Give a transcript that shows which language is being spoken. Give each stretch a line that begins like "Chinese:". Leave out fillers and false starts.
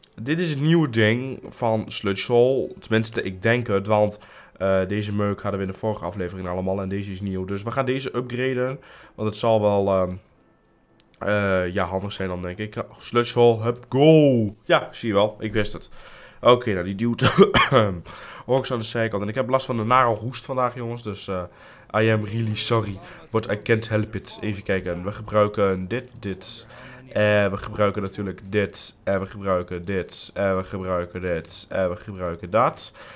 Dutch: Dit is het nieuwe ding van Sludgehole. Tenminste, ik denk het, want deze meuk hadden we in de vorige aflevering allemaal en deze is nieuw. Dus we gaan deze upgraden, want het zal wel handig zijn dan, denk ik. Oh, Sludgehole, hup, go! Ja, zie je wel, ik wist het. Oké, nou, die duwt Orks aan de zijkant. En ik heb last van een nare hoest vandaag, jongens.
English: Dus, I am really sorry, but I can't help it.
Dutch: Even kijken, we gebruiken dit. En we gebruiken natuurlijk dit. En we gebruiken dit. En we gebruiken dit. En we gebruiken dat.